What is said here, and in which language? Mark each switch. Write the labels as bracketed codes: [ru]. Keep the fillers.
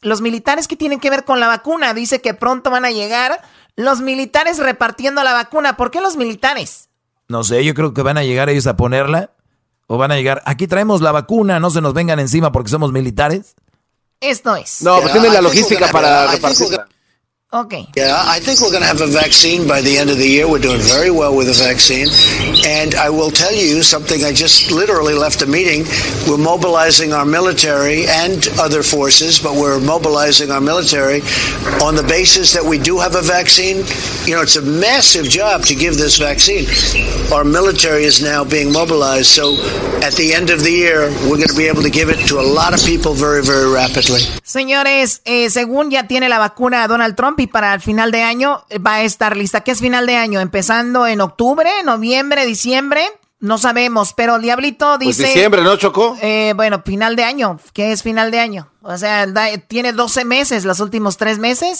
[es] Los militares que tienen que ver con la vacuna. Dice que pronto van a llegar los militares repartiendo la vacuna. ¿Por qué los militares? No sé, yo creo que van a llegar ellos a ponerla. O van a llegar, aquí traemos la vacuna, no se nos vengan encima porque somos militares. Esto es. No, pero tienen no, la logística la... para repartirla. No, Okay. [en] Yeah, I think we're going to have a vaccine by the end of the year. We're doing very well with the vaccine. And I will tell you something I just literally left a meeting. We're mobilizing our military and other forces, but we're mobilizing our military on the basis that we do have a vaccine. You know, it's a massive job to give this vaccine. Our military is now being mobilized. So at the end of the year, we're going to be able to give it to a lot of people very, very rapidly. [es] Señores, eh, según ya tiene la vacuna Donald Trump, y para el final de año va a estar lista. ¿Qué es final de año? ¿Empezando en octubre, noviembre, diciembre? No sabemos, pero Diablito dice. Pues diciembre, ¿no, chocó eh, bueno, final de año. ¿Qué es final de año? O sea, da, tiene 12 meses, los últimos tres meses.